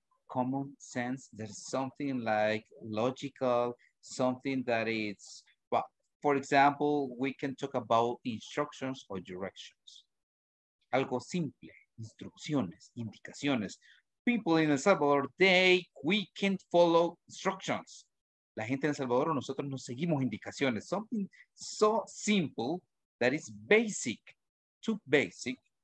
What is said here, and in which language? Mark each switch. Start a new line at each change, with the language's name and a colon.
English: Common sense, there's something like logical, something that is, well, for example, we can talk about instructions or directions.
Spanish: Algo simple, instrucciones, indicaciones.
English: People in El Salvador, we can't follow instructions.
Spanish: La gente en El Salvador, nosotros no seguimos indicaciones.
English: Something so simple that is basic, too basic.